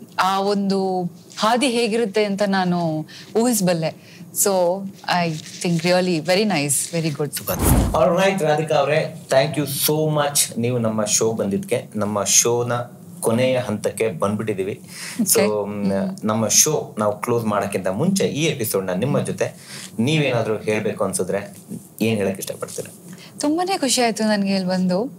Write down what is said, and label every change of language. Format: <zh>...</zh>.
<kn>ಆ ಒಂದು ಹಾದಿ ಹೇಗಿರುತ್ತೆ ಅಂತ ನಾನು ಊಹಿಸಬಲ್ಲೆ.</kn> <en>So I think really very nice, very good. All right, Radhika avre, thank you so much.</en> <kn>ನೀವು ನಮ್ಮ ಶೋ ಬಂದಿದ್ದಕ್ಕೆ, ನಮ್ಮ ಶೋನ ಕೊನೆಯ ಹಂತಕ್ಕೆ ಬಂದ್ಬಿಟ್ಟಿದೀವಿ. ಸೊ ನಮ್ಮ ಶೋ ನಾವು ಕ್ಲೋಸ್ ಮಾಡೋಕ್ಕಿಂತ ಮುಂಚೆ ಈ ಎಪಿಸೋಡ್ನ ನಿಮ್ಮ ಜೊತೆ ನೀವೇನಾದರೂ ಹೇಳಬೇಕು ಅನ್ಸಿದ್ರೆ ಏನು ಹೇಳಕ್ಕೆ ಇಷ್ಟಪಡ್ತೀರಾ? ತುಂಬಾ ಖುಷಿ ಆಯ್ತು ನನ್ಗೆ ಇಲ್ಲಿ ಬಂದು.</kn>